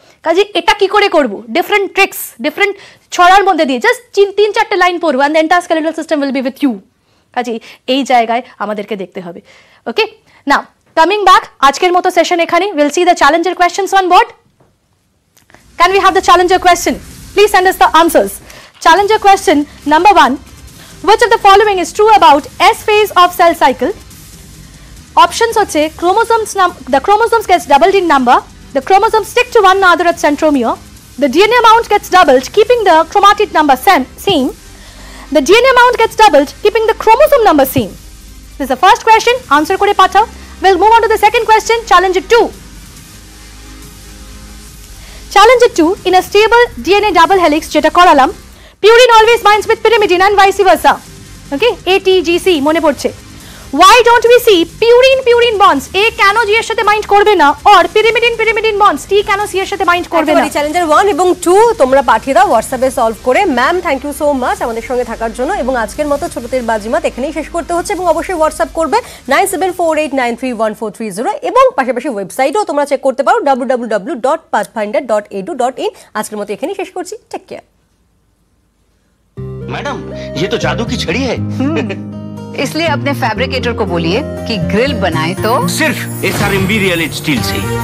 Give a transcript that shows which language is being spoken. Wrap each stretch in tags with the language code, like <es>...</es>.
<bn>কাজে এটা কী করে করবো, ডিফারেন্ট ট্রিক্স ডিফারেন্ট ছড়ার মধ্যে দিয়ে, জাস্ট 3-4 লাইন পড়বো</bn> <en>And entire skeletal system will be with you.</en> <bn>কাজে এই জায়গায় আমাদেরকে দেখতে হবে। ওকে না কামিং ব্যাক, আজকের মতো সেশন এখানে,</bn> <en>Will see the challenger questions on board. Can we have the challenger question? Please send us the answers. Challenger question number 1. Which of the following is true about S phase of cell cycle? Options are chromosomes, the chromosomes gets doubled in number, the chromosomes stick to one another at centromere, the DNA amount gets doubled keeping the chromatid number same, the DNA amount gets doubled keeping the chromosome number same. This is the first question, answer</en> <bn>kore patha.</bn> <en>We'll move on to the second question, challenger 2. Challenge 2, in a stable DNA double helix,</en> <bn>jeta koralam,</bn> <en>purine always binds with pyrimidine and vice versa. Okay, ATGC,</en> <bn>mone porche.</bn> <en>Why don't we see purine-purine bonds?</en> <bn>A কেন G এর সাথে bind করবে না?</bn> <en>Or pyrimidine-pyrimidine bonds?</en> <bn>T কেন C এর সাথে bind করবে না? চ্যালেঞ্জার 1 এবং 2 তোমরা পাঠিয়ে দাও WhatsApp এ সলভ করে। Ma'am</bn> <en>thank you so much</en> <bn>আমাদের সঙ্গে থাকার জন্য এবং আজকের মতো ছোটদের বাজিমাত এখানেই শেষ করতে হচ্ছে এবং অবশ্যই WhatsApp করবে 9748931430 এবং পাশাপাশি ওয়েবসাইটও তোমরা চেক করতে পারো www.pathfinder.edu.in। আজকের মতো এখানেই শেষ করছি, টেক কেয়ার।</bn> <hi>ম্যাডাম ये तो जादू की छड़ी है। इसलिए अपने फैब्रिकेटर को बोलिए कि ग्रिल बनाए तो सिर्फ एसआर इंपीरियल स्टील से।</hi>